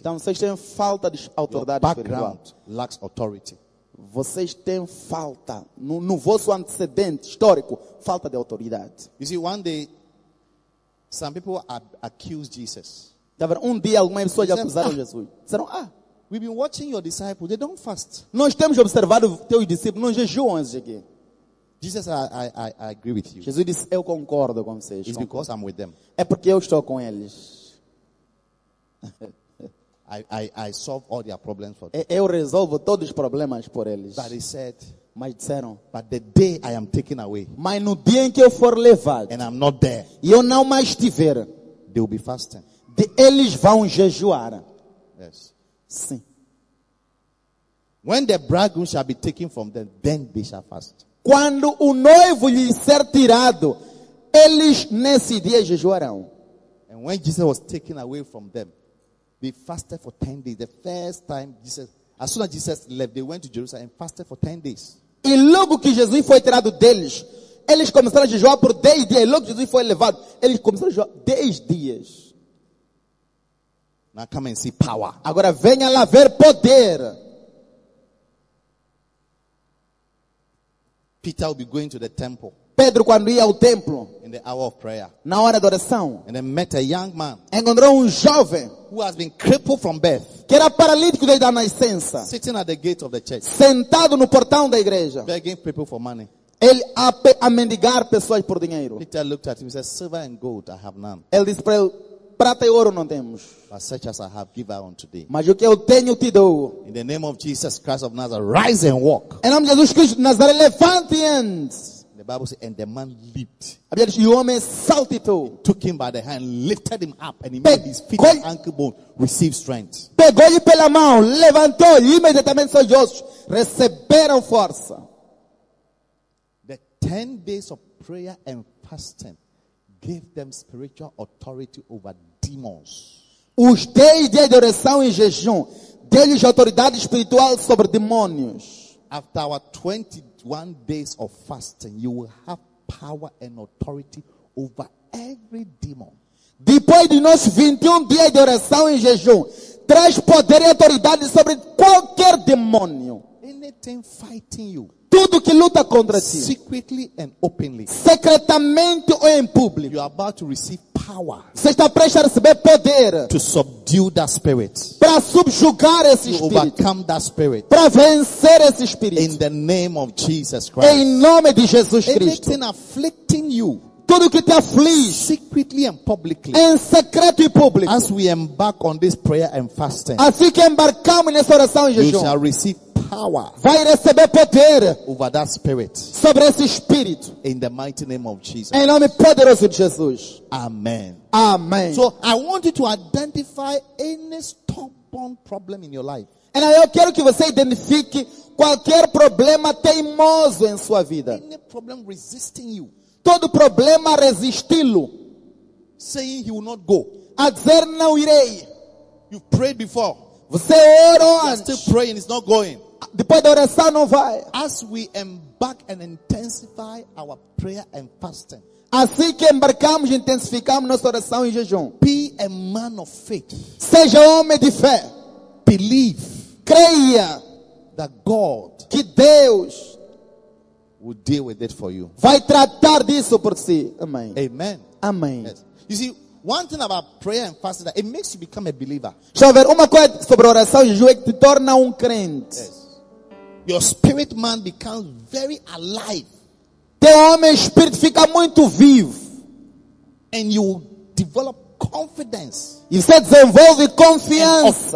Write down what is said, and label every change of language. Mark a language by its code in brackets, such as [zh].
[pt] Então vocês têm falta de autoridade espiritual. [en] Lacks authority. [pt] Vocês têm falta no vosso antecedente histórico, falta de autoridade. [en] You see, one day some people accuse Jesus. [pt] Dia algumas pessoas acusaram Jesus. Disseram, [en] we've been watching your disciples, they don't fast. [pt] Nós temos observado teus discípulos, não jejuam aqui. [en] Jesus, I agree with you. [pt] Jesus disse, eu concordo com vocês. [en] It's because I'm with them. [pt] É porque eu estou com eles. [en] I solve all their problems for them. [pt] Eu resolvo todos os problemas por eles. [en] But he said, [pt] mas disseram, [en] but the day I am taken away, [pt] mas no dia em que eu for levado, [en] and I'm not there, [pt] e eu não mais estiver, [en] they will be fasting. [pt] Eles vão jejuar. [en] Yes. [pt] Sim. [en] When the bridegroom shall be taken from them, then they shall fast. [pt] Quando o noivo lhe ser tirado, eles nesse dia jejuarão. [en] And when Jesus was taken away from them, they fasted for 10 days. The first time Jesus, as soon as Jesus left, they went to Jerusalem and fasted for 10 days. [pt] E logo que Jesus foi tirado deles, eles começaram a jejuar por 10 dias. E logo que Jesus foi levado, eles começaram a jejuar 10 dias. [en] Now come and see power. [pt] Agora venha lá ver poder. [en] Peter will be going to the temple. [pt] Pedro quando ia ao templo, [en] in the hour of prayer, [pt] na hora da oração, [en] and then met a young man, [pt] encontrou um jovem [en] who has been crippled from birth, [pt] que era paralítico desde a nascença, [en] sitting at the gate of the church, [pt] sentado no portão da igreja, [en] begging people for money. [pt] Ele a mendigar pessoas por dinheiro. [en] Peter looked at him and said, "Silver and gold I have none." [pt] Ele disse para ele, prata e ouro não temos. [en] But such as I have given unto thee. [pt] Mas o que eu tenho te dou. [en] In the name of Jesus Christ of Nazareth, rise and walk. [pt] Em nome de Jesus Cristo de Nazaré, levante e ande. [en] The Bible says, and the man leaped. [pt] A Bíblia diz, o homem saltitou. [en] He took him by the hand, lifted him up, and he made his feet and ankle bone receive strength. [pt] Pegou-lhe pela mão, levantou, e imediatamente seus ossos receberam força. [en] 10 days of prayer and fasting gave them spiritual authority over demons. [pt] Os 10 dias de oração e jejum deu-lhes autoridade espiritual sobre demônios. [en] After our 21 days of fasting, you will have power and authority over every demon. [pt] Depois de nossos 21 dias de oração e jejum, traz poder e autoridade sobre qualquer demônio. [en] Anything fighting you. [pt] Tudo que luta contra ti. [en] Secretly and openly. [pt] Secretamente ou em público. [en] You are about to receive power. [pt] Você está prestes a receber poder. [en] To subdue that spirit. [pt] Para subjugar esse espírito. [en] To overcome that spirit. [pt] Para vencer esse espírito. [en] In the name of Jesus Christ. [pt] Em nome de Jesus Cristo. [en] Anything afflicting you. [pt] Tudo que te aflige. [en] Secretly and publicly. [pt] Em secreto e público. [en] As we embark on this prayer and fasting. [pt] Assim que embarcamos nessa oração e jejum. [en] You shall receive power. [pt] Vai receber poder [en] over that spirit. [pt] Sobre esse espírito. [en] In the mighty name of Jesus. [pt] Em nome poderoso de Jesus. [en] Amen. [pt] Amen. [en] So I want you to identify any stubborn problem in your life. [pt] E eu quero que você identifique qualquer problema teimoso em sua vida. [en] Any problem resisting you. [pt] Todo problema resisti-lo. [en] Saying he will not go. [pt] A dizer não irei. [en] You prayed before. [pt] Você orou antes. [en] Still praying, it's not going. [pt] Depois da oração não vai. [en] As we embark and intensify our prayer and fasting. [pt] Assim que embarcamos e intensificamos nossa oração e jejum. [en] Be a man of faith. [pt] Seja homem de fé. [en] Believe. [pt] Creia. [en] That God. [pt] Que Deus. [en] Will deal with it for you. [pt] Vai tratar disso por si. Amém. [en] Amen. [pt] Amém. [en] Yes. You see. One thing about prayer and fasting that it makes you become a believer. [pt] Deixa eu ver, uma coisa sobre oração e jejum é que te torna crente. [en] Yes. Your spirit man becomes very alive. [pt] Teu homem espírito fica muito vivo. [en] And you develop confidence. [pt] E você desenvolve confiança.